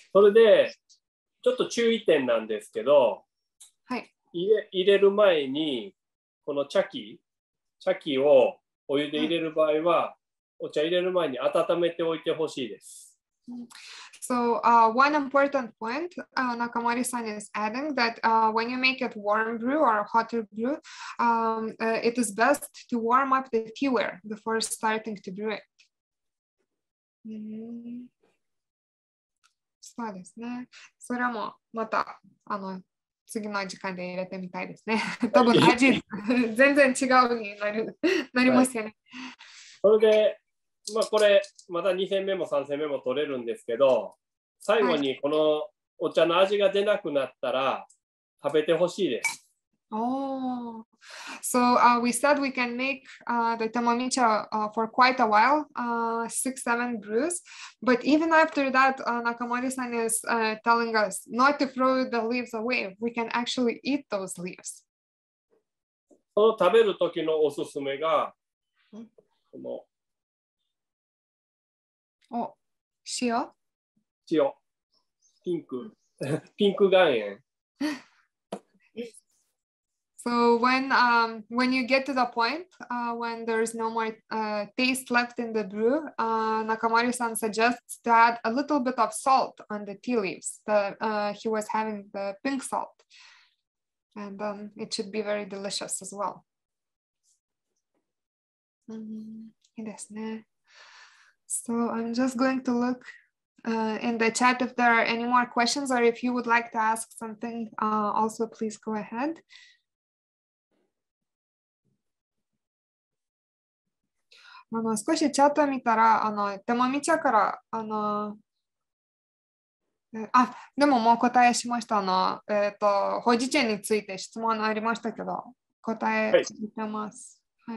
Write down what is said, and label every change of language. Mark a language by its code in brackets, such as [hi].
[ja] それでちょっと注意点なんですけど、はい。入れる前にこの茶器をお湯で入れる場合は、お茶入れる前に温めておいてほしいです。 [en] So one important point Nakamori-san is adding that when you make it warm brew or hotter brew, it is best to warm up the teaware before starting to brew it. [ja] そうですね。それもまた次の時間で入れてみたいですね。多分味全然違うになりますよね。 [en] OK。 [ja] まあ、これまた2戦目も3戦目も取れるんですけど、最後にこのお茶の味が出なくなったら食べてほしいです。 [en] So we said we can make the tamamicha for quite a while, 6-7 brews. But even after that, Nakamori-san is telling us not to throw the leaves away. We can actually eat those leaves. [ja] その食べる時のおすすめが、この塩ピンク岩塩。 [en] So when you get to the point when there's no more taste left in the brew, Nakamori-san suggests to add a little bit of salt on the tea leaves. He was having the pink salt, and it should be very delicious as well. [ja] いいですね。 [en] So I'm just going to look in the chat if there are any more questions, or if you would like to ask something, also please go ahead. [ja] あの少しチャット見たら、あのでもみちゃから、あのあでももう答えしましたの、ほうじ茶について質問ありましたけど、答えしてます。はい。